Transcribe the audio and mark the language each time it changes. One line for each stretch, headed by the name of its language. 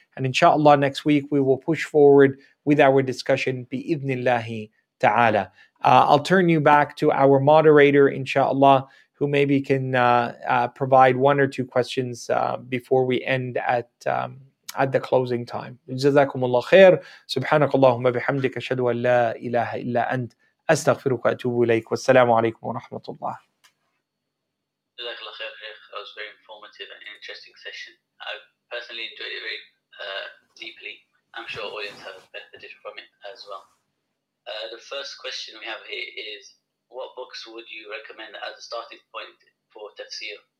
English: And inshallah, next week we will push forward with our discussion, bi-idhnillahi ta'ala. I'll turn you back to our moderator, inshallah, who maybe can provide one or two questions before we end at the closing time.
Arabic: Jazakumullah khair. Subhanakallahumma bihamdika ashhadu an la ilaha illa ant. أستغفرك وأتوب إليك والسلام عليكم ورحمة الله. جزاك الله خير شيخ.
English: That was very informative and interesting session. I personally enjoyed it very deeply. I'm sure audience have benefited from it as well. The first question we have here is, what books would you recommend as a starting point for tafsir?